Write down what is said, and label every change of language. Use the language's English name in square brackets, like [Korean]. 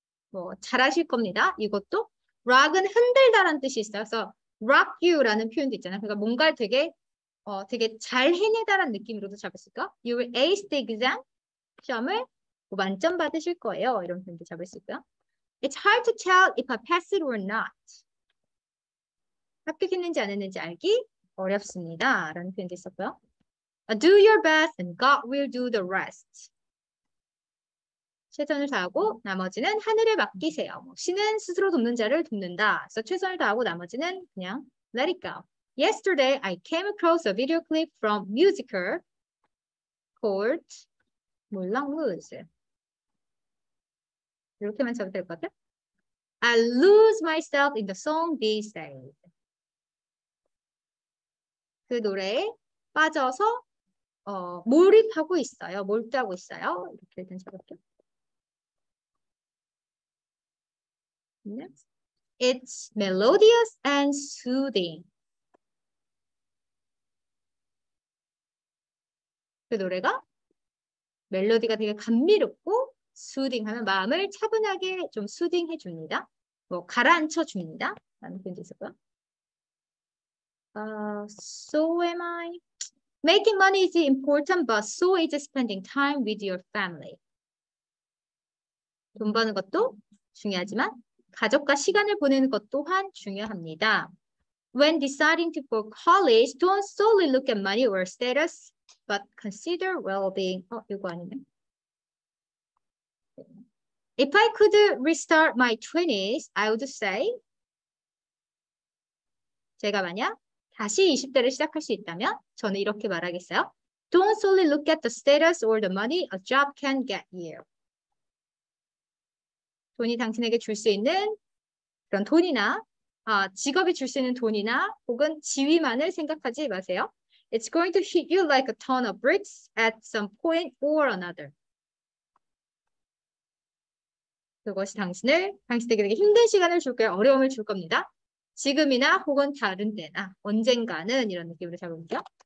[Korean] 뭐 잘하실 겁니다. 이것도 rock은 흔들다라는 뜻이 있어서 rock you라는 표현도 있잖아요. 그러니까 뭔가를 되게 되게 잘 해내다라는 느낌으로도 잡았을까? [English] You will ace the exam. [Korean] 시험을 만점 받으실 거예요. 이런 표현도 잡을 수 있고요. [English] It's hard to tell if I pass it or not. [Korean] 합격했는지 안 했는지 알기 어렵습니다. 라는 표현도 있었고요. [English] Do your best and God will do the rest. [Korean] 최선을 다하고 나머지는 하늘에 맡기세요. 신은 스스로 돕는 자를 돕는다. 그래서 최선을 다하고 나머지는 그냥 [English] let it go. Yesterday I came across a video clip from musical called 몰랑루즈. [Korean] 이렇게만 잡으면 될 것 같아요. [English] I lose myself in the song these days. [Korean] 그 노래에 빠져서 몰입하고 있어요. 몰두하고 있어요. 이렇게 일단 잡을게요. [English] Next. It's melodious and soothing. [Korean] 그 노래가 멜로디가 되게 감미롭고 수딩하면 마음을 차분하게 좀 수딩해 줍니다. 뭐 가라앉혀 줍니다. 라는 표현도 있었고요. [English] So am I. Making money is important, but so is spending time with your family. 돈 버는 것도 중요하지만 가족과 시간을 보내는 것 또한 중요합니다. When deciding to go to college, don't solely look at money or status, but consider well-being. [Korean] 이거 아니네. [English] If I could restart my 20s, I would say [Korean] 제가 만약 다시 20대를 시작할 수 있다면 저는 이렇게 말하겠어요. [English] Don't solely look at the status or the money a job can get you. [Korean] 돈이 당신에게 줄 수 있는 그런 돈이나 직업이 줄 수 있는 돈이나 혹은 지위만을 생각하지 마세요. [English] It's going to hit you like a ton of bricks at some point or another. [Korean] 그것이 당신을, 당신에게 힘든 시간을 줄 거예요. 어려움을 줄 겁니다. 지금이나 혹은 다른 때나 언젠가는 이런 느낌으로 잡아볼게요.